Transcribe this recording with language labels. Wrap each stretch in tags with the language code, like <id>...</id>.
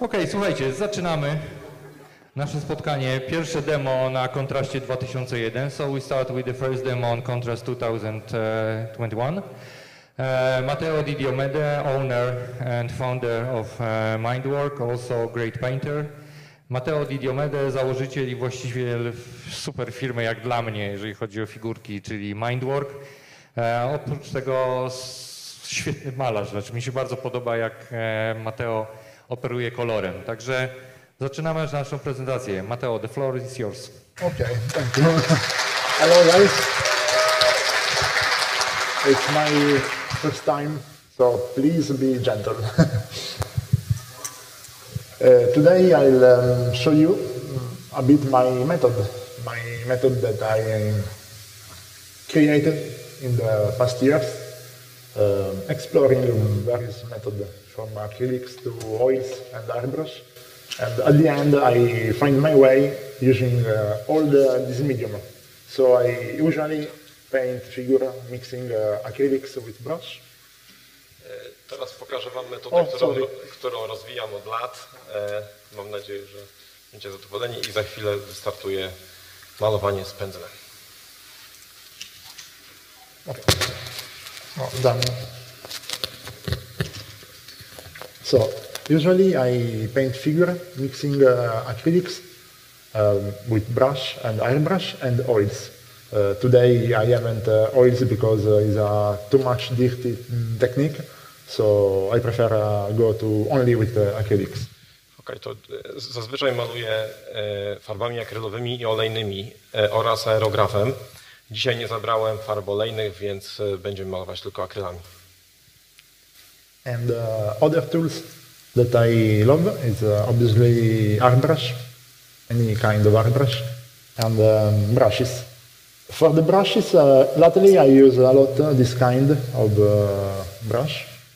<pl>słuchajcie, zaczynamy nasze spotkanie. Pierwsze demo na kontraście 2001.</pl> <en>So we start with the first demo on contrast 2021. Matteo Di Diomede, owner and founder of Mindwork, also great painter.</en> <pl>Matteo Di Diomede, założyciel i właściciel super firmy jak dla mnie, jeżeli chodzi o figurki, czyli Mindwork. Oprócz tego świetny malarz, znaczy mi się bardzo podoba, jak Matteo operuje kolorem. Także zaczynamy już naszą prezentację.</pl> <en>Matteo, the floor is yours. Okay, thank you. Hello guys. It's my first time, so please be gentle. Today I'll show you a bit my method. My method that I created in the past years, exploring various methods from acrylics to oils and airbrush. And at the end, I find my way using all this medium. So I usually paint figure mixing acrylics with brush.</en> <pl>Teraz pokażę wam metodę, którą rozwijam od lat. Mam nadzieję, że będziecie zadowoleni i za chwilę wystartuje malowanie z pędzlem.</pl> <en>Okay. Done. So, usually I paint figure mixing acrylics with brush and airbrush and oils. Today I haven't oils because it's a too much dirty technique, so I prefer go to only with acrylics.</en> <pl>Okay, to zazwyczaj maluję farbami akrylowymi i olejnymi oraz aerografem. Dzisiaj nie zabrałem farb olejnych, więc będziemy malować tylko akrylami.</pl> <en>And other tools that I love is obviously airbrush, any kind of airbrush, and brushes. For the brushes, lately I use a lot this kind of brush.</en>